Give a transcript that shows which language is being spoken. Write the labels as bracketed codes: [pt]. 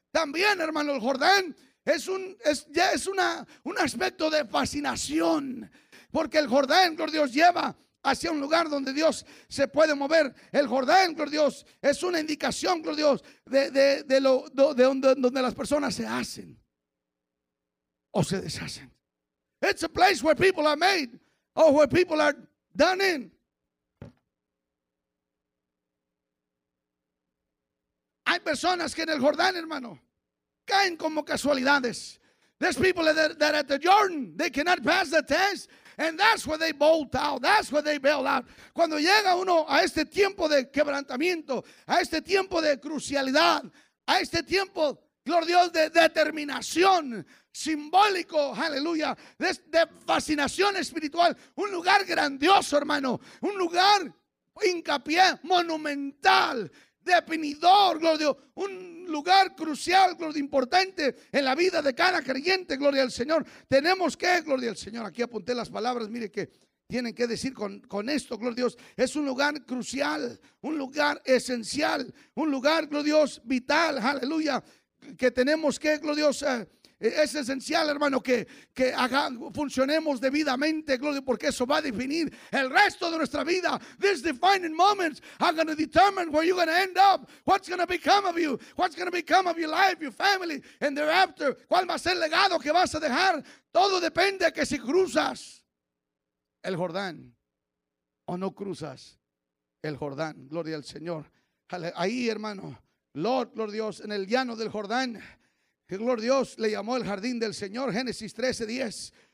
[es] También, hermano, el Jordán es un aspecto de fascinación, porque el Jordán, gloria a Dios, lleva hacia un lugar donde Dios se puede mover. El Jordán, gloria a Dios, es una indicación, gloria a Dios, de donde las personas se hacen o se deshacen. [en] It's a place where people are made or where people are done in. [es] Hay personas que en el Jordán, hermano, caen como casualidades. [en] There's people that at the Jordan, they cannot pass the test. And that's where they bolt out, that's where they bail out. [es] Cuando llega uno a este tiempo de quebrantamiento, a este tiempo de crucialidad, a este tiempo, gloria a Dios, de determinación, simbólico, aleluya, de fascinación espiritual, un lugar grandioso, hermano, un lugar, hincapié, monumental, definidor, gloria a Dios, un lugar crucial, gloria a Dios, importante en la vida de cada creyente, gloria al Señor. Tenemos que, gloria al Señor, aquí apunté las palabras, mire que tienen que decir con esto, gloria a Dios, es un lugar crucial, un lugar esencial, un lugar, gloria a Dios, vital, aleluya, que tenemos que, gloria a Dios, es esencial, hermano, que haga, funcionemos debidamente, gloria, porque eso va a definir el resto de nuestra vida. [en] These defining moments are going to determine where you're going to end up, what's going to become of you, what's going to become of your life, your family, and thereafter, [es] cuál va a ser el legado que vas a dejar. Todo depende de que si cruzas el Jordán o no cruzas el Jordán, gloria al Señor. Ahí, hermano, Lord, gloria a Dios, en el llano del Jordán, que gloria a Dios, le llamó el jardín del Señor, Génesis 13, 10.